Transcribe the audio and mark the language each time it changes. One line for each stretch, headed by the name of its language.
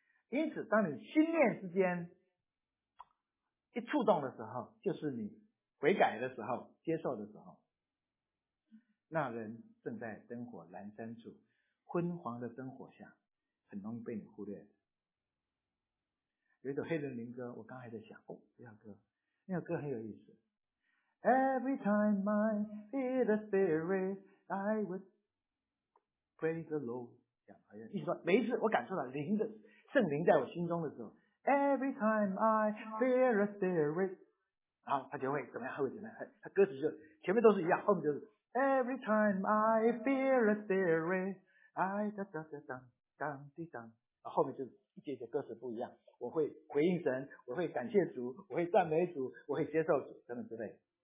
Chinese: 因此当你心念之间一触动的时候，就是你悔改的时候，接受的时候，那人正在灯火阑珊处，昏黄的灯火下，很容易被你忽略。有一首黑人灵歌，我刚还在想，哦，这首歌，那首歌很有意思。
English: Every time I hear the spirit, I would praise the Lord。
Chinese: 讲好像意思说，每一次我感受到灵的圣灵在我心中的时候 ，
English: Every time I hear the spirit。
Chinese: 好，他就会怎么样？他会怎么样？他歌词就前面都是一样，后面就是
English: Every time I feel a spirit,
Chinese: 哎哒哒哒当当滴当，后面就一节节歌词不一样，我会回应神，我会感谢主，我会赞美主，我会接受主等等之类。